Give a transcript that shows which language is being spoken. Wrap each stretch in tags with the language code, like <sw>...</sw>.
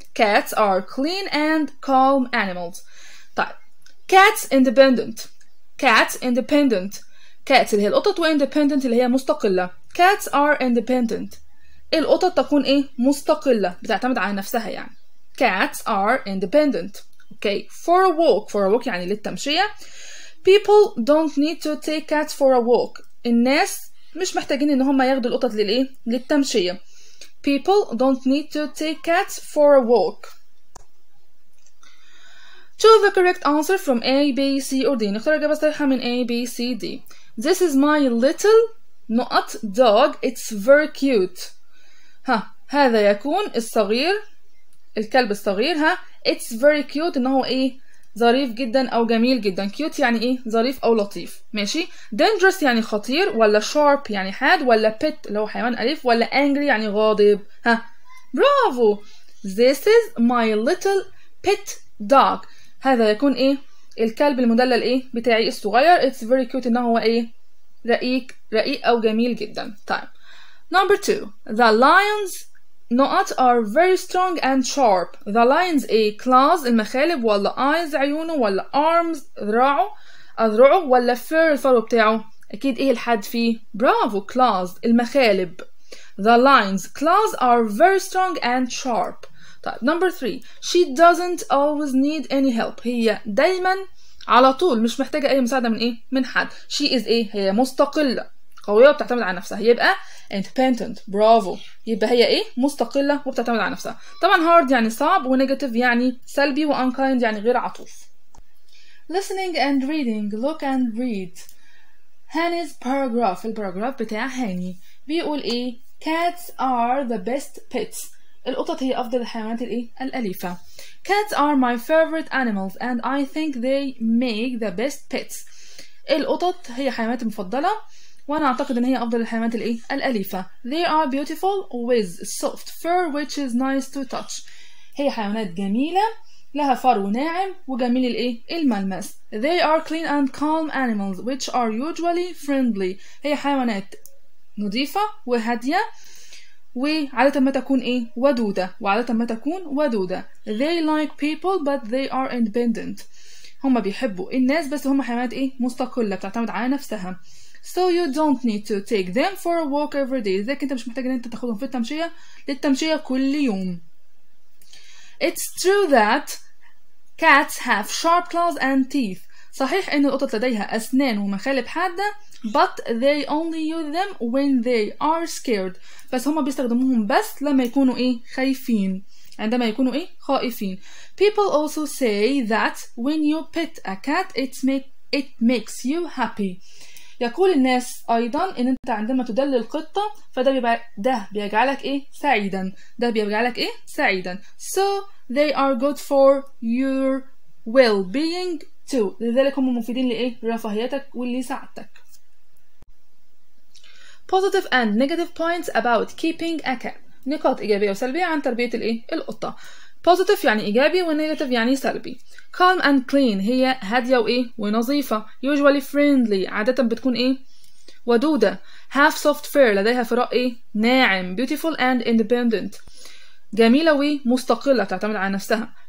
<en>cats are clean and calm animals.</en> <ar>طيب</ar> <en>cats independent. cats independent cats</en> <ar>اللي هي القطط، و independent اللي هي مستقلة.</ar> <en>cats are independent.</en> <ar>القطط تكون ايه؟ مستقلة، بتعتمد على نفسها يعني.</ar> <en>cats are independent. okay. for a walk. for a walk</en> <ar>يعني للتمشية.</ar> <en>people don't need to take cats for a walk.</en> <ar>الناس مش محتاجين ان هم ياخدوا القطط للايه؟ للتمشية.</ar> <en>people don't need to take cats for a walk. choose the correct answer from A, B, C or D.</en> <ar>نختار الإجابة الصحيحة من A, B, C, D.</ar> <en>This is my little not dog. It's very cute.</en> <ar>ها هذا يكون الصغير، الكلب الصغير. ها</ar> <en>it's very cute</en> <ar>انه ايه؟ ظريف جدا او جميل جدا. cute يعني ايه؟ ظريف او لطيف. ماشي. dangerous يعني خطير، ولا sharp يعني حاد، ولا pet اللي هو حيوان اليف، ولا angry يعني غاضب. ها برافو.</ar> <en>This is my little pet dog.</en> <ar>هذا يكون ايه؟ الكلب المدلل ايه بتاعي الصغير.</ar> <en>it's very cute</en> <ar>انه هو ايه؟ رقيق رقيق او جميل جدا. طيب</ar> <en>number 2 the lions نقط are very strong and sharp. The lines A claws</en> <ar>المخالب ولا</ar> <en>eyes</en> <ar>عيونه ولا</ar> <en>arms</en> <ar>أذرعه ولا</ar> <en>fur</en> <ar>الفرو بتاعه. أكيد إيه الحد فيه. برافو claws المخالب.</ar> <en>The lines claws are very strong and sharp. طيب number three. She doesn't always need any help.</en> <ar>هي دايما على طول مش محتاجة أي مساعدة من إيه من حد.</ar> <en>She is</en> <ar>إيه هي مستقلة قوية وبتعتمد على نفسها. يبقى independent. برافو. يبقى هي ايه مستقلة وبتعتمد على نفسها. طبعا hard يعني صعب ونيجاتيف يعني سلبي وunkind يعني غير عطوف.</ar> <en>Listening and reading. Look and read. Hani's paragraph.</en> <ar>الparagraph بتاع هاني بيقول ايه.</ar> <en>Cats are the best pets.</en> <ar>القطط هي افضل الحيوانات الايه الاليفة.</ar> <en>Cats are my favorite animals and I think they make the best pets.</en> <ar>القطط هي حيوانات مفضلة وانا اعتقد ان هي افضل الحيوانات الايه الاليفه.</ar> <en>They are beautiful with soft fur which is nice to touch.</en> <ar>هي حيوانات جميله لها فرو ناعم وجميل الايه الملمس.</ar> <en>They are clean and calm animals which are usually friendly.</en> <ar>هي حيوانات نظيفه وهاديه وعاده ما تكون ايه ودوده وعاده ما تكون ودوده.</ar> <en>They like people but they are independent.</en> <ar>هم بيحبوا الناس بس هم حيوانات ايه مستقله بتعتمد على نفسها.</ar> <en>So you don't need to take them for a walk every day.</en> <ar>إذا كنت مش محتاج أن أنت تأخذهم في التمشية للتمشية كل يوم.</ar> <en>It's true that cats have sharp claws and teeth.</en> <ar>صحيح أن القطط لديها أسنان ومخالب حادة.</ar> <en>But they only use them when they are scared.</en> <ar>بس هما بيستخدموهم بس لما يكونوا إيه خايفين. عندما يكونوا إيه خائفين.</ar> <en>People also say that when you pet a cat, it makes you happy.</en> <ar>يقول الناس ايضا ان انت عندما تدلل قطة فده بيجعلك ايه سعيدا. ده بيجعلك ايه سعيدا.</ar> <en>So they are good for your well-being too.</en> <ar>لذلك هم مفيدين لايه رفاهيتك واللي سعادتك.</ar> <en>Positive and negative points about keeping a cat.</en> <ar>نقاط ايجابية وسلبية عن تربية الايه القطة. Positive يعني ايجابي ونيجاتيف يعني سلبي.</ar> <en>Calm and clean</en> <ar>هي هادية وإيه ونظيفة.</ar> <en>Usually friendly</en> <ar>عادة بتكون إيه ودودة.</ar> <en>Half soft fur</en> <ar>لديها فراء إيه ناعم.</ar> <en>Beautiful and independent</en> <ar>جميلة ومستقلة تعتمد على نفسها.</ar>